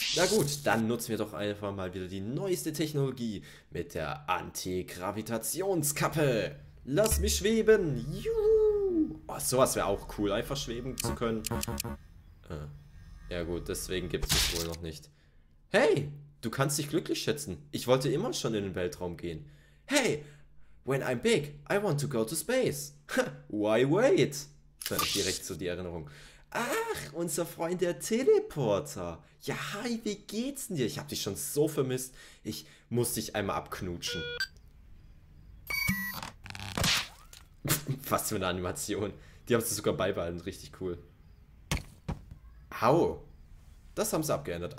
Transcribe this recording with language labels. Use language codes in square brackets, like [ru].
[de] Na gut, dann nutzen wir doch einfach mal wieder die neueste Technologie mit der Antigravitationskappe. Lass mich schweben. Juhu. Oh, sowas wäre auch cool, einfach schweben zu können. Ja gut, deswegen gibt es es wohl noch nicht. Hey, du kannst dich glücklich schätzen. Ich wollte immer schon in den Weltraum gehen. [en] Hey, when I'm big, I want to go to space. Why wait? [de] Dann direkt zu so die Erinnerung. Ach, unser Freund der Teleporter. Ja, hi, wie geht's denn dir? Ich hab dich schon so vermisst. Ich muss dich einmal abknutschen. Was für eine Animation. Die haben sie sogar beibehalten, richtig cool. Au. Das haben sie abgeändert.